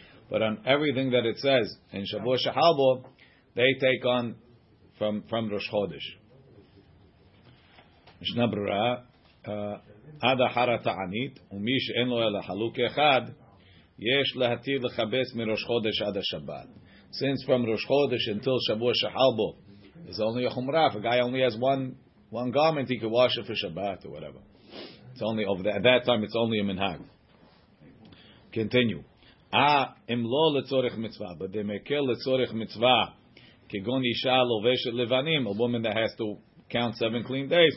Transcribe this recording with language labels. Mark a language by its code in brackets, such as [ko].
[en] But on everything that it says in Shavuot Shehalbo, they take on from ראש חודש. [he] משנה ברורה, עד אחר התענית, ומי שאין לו אלא חלוק אחד, יש להתיר לכבס מראש חודש עד השבת. [en] Since from ראש חודש until שבוע שחלבו, it's only a חומרה, if a guy only has one garment, he could wash it for Shabbat, or whatever. It's only over there. At that time, it's only a מנהג. Continue. [he] אם לא לצורך מצווה, [en] but they make it [he] לצורך מצווה, כגון אישה לובשת לבנים, [en] a woman that has to count 7 clean days.